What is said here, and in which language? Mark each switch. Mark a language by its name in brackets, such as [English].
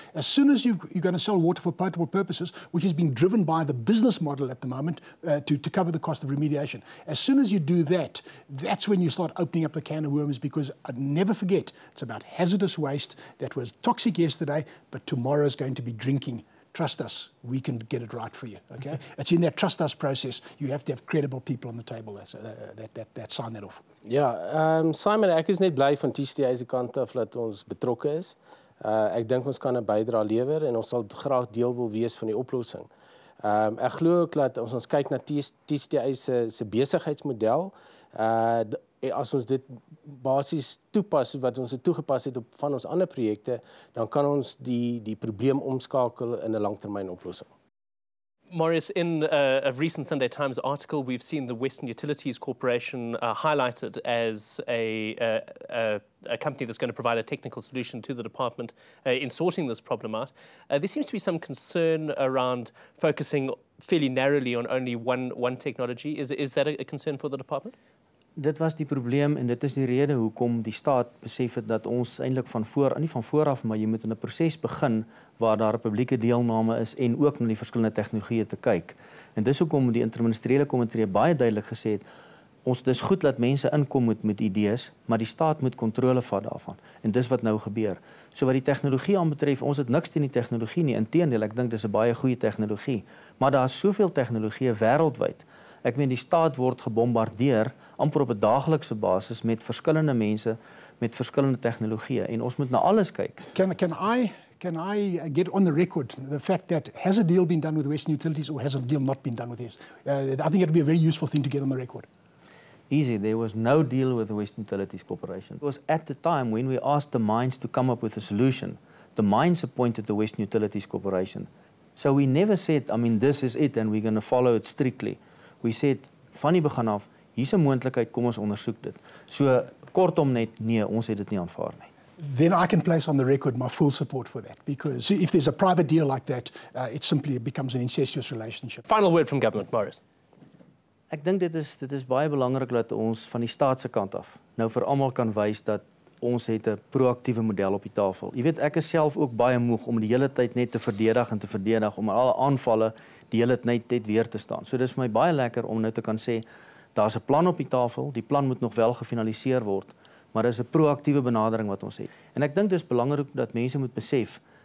[English] As soon as you're going to sell water for potable purposes, which is being driven by the business model at the moment to cover the cost of remediation, as soon as you do that, that's when you start opening up the can of worms, because I'd never forget, it's about hazardous waste that was toxic yesterday, but tomorrow is going to be drinking. Trust us, we can get it right for you, okay? It's in that trust us process. You have to have credible people on the table that sign that off. [Afrikaans] Ja, Simon, ek is net bly van TCTA se kant af dat ons betrokke is. Ek dink ons kan 'n bydrae lewer en ons sal graag deel wil wees van die oplossing. Ek glo ook dat ons kyk na TCTA se besigheidsmodel. As ons dit basies toepas wat ons het toegepas het op van ons ander projekte, dan kan ons die probleem omskakel in 'n langtermyn oplossing. [English] Marius, in a recent Sunday Times article, we've seen the Western Utilities Corporation highlighted as a company that's going to provide a technical solution to the department in sorting this problem out. There seems to be some concern around focusing fairly narrowly on only one technology. Is that a concern for the department? [Afrikaans] Dit was die probleem en dit is die rede hoekom die staat besef het dat ons eintlik nie van vooraf, maar jy moet in 'n proses begin waar daar 'n publieke deelname is en ook na die verskillende tegnologieë te kyk. En dis hoekom die interministeriële komitee baie duidelik gesê het, ons dis goed dat mense inkom met idees, maar die staat moet kontrole vat daarvan. En dis wat nou gebeur. So wat die tegnologie aanbetref, ons het niks teen die tegnologie nie. Inteendeel, ek dink dis 'n baie goeie tegnologie. Maar daar is soveel tegnologieë wêreldwyd. Ek meen die staat word gebombardeer amper op 'n daaglikse basis met verskillende mense met verskillende tegnologieë en ons moet na alles kyk. [English] Can I get on the record the fact that has a deal been done with Western Utilities or has a deal not been done with this? I think it would be a very useful thing to get on the record. Easy, there was no deal with the Western Utilities Corporation. It was at the time when we asked the mines to come up with a solution. The mines appointed the Western Utilities Corporation. So we never said, I mean, this is it and we're going to follow it strictly. We said, [Afrikaans] van die begin af, hier's 'n moontlikheid, kom ons ondersoek dit. So kortom net, nee, ons het dit nie aanvaar nie. [English] Then I can place on the record my full support for that, because if there's a private deal like that, it simply becomes an incestuous relationship. Final word from government, Marius. [Afrikaans] Ek dink dit is baie belangrik dat ons van die staat se kant af nou vir almal kan wys dat ons het 'n proaktiewe model op die tafel. Jy weet, ek is self ook baie moeg om die hele tyd net te verdedig om alle aanvalle die hele tyd net weer te staan. So dis vir my baie lekker om nou te kan sê, daar's 'n plan op die tafel, die plan moet nog wel gefinaliseer word, maar dis 'n proaktiewe benadering wat ons het. En ek dink dis belangrik dat mense moet besef,